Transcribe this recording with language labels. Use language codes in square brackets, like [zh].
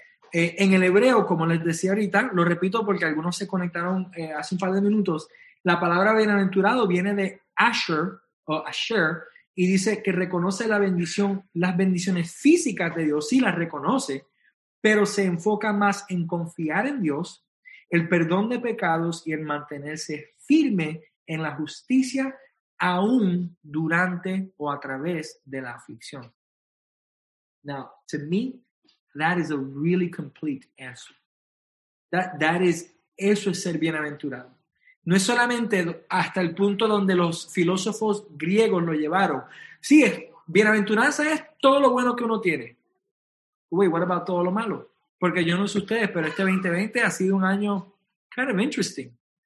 [es] En el hebreo, como les decía ahorita, lo repito porque algunos se conectaron hace un par de minutos, la palabra bienaventurado viene de Asher, o Asher, y dice que reconoce la bendición, las bendiciones físicas de Dios, sí las reconoce, pero se enfoca más en confiar en Dios, el perdón de pecados y en mantenerse firme en la justicia aún durante o a través de la aflicción. [en] Now, to me, that is a really complete answer. That is, [es] eso es ser bienaventurado. No es solamente hasta el punto donde los filósofos griegos lo llevaron. Sí, bienaventuranza es todo lo bueno que uno tiene. [en] Wait, what about [es] todo lo malo? Porque yo no sé ustedes, pero este 2020 ha sido un año [en] kind of interesting.